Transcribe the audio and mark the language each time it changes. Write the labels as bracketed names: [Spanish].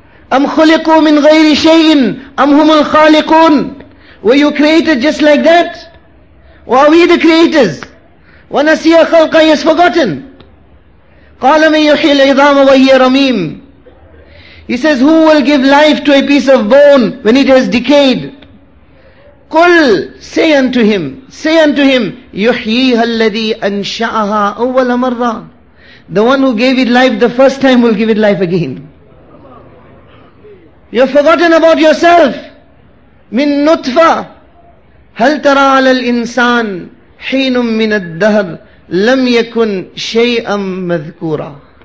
[Arabic] أَمْ خُلِقُوا مِنْ غَيْرِ شَيْءٍ أَمْ هُمُ الْخَالِقُونَ. [English] Were you created just like that? Or are we the creators? [Arabic] وَنَسِيَ خَلْقًا, [English] he has forgotten. [Arabic] قَالَ مَنْ يُحْيِي الْعِظَامَ وَهِيَ رَمِيمٌ. [English] He says, who will give life to a piece of bone when it has decayed? [Arabic] قُلْ, [English] say unto him, [Arabic] يُحْيِيهَا الَّذِي أَنْشَأَهَا أَوَّلَ مَرَّةٍ. [English] The one who gave it life the first time will give it life again. You've forgotten about yourself. [Arabic] مِنْ نُطْفَةٍ. هَلْ تَرَى عَلَى الْإِنسَانِ حِينٌ مِّنَ الدَّهْرِ لَمْ يَكُنْ شَيْئًا مَذْكُورًا.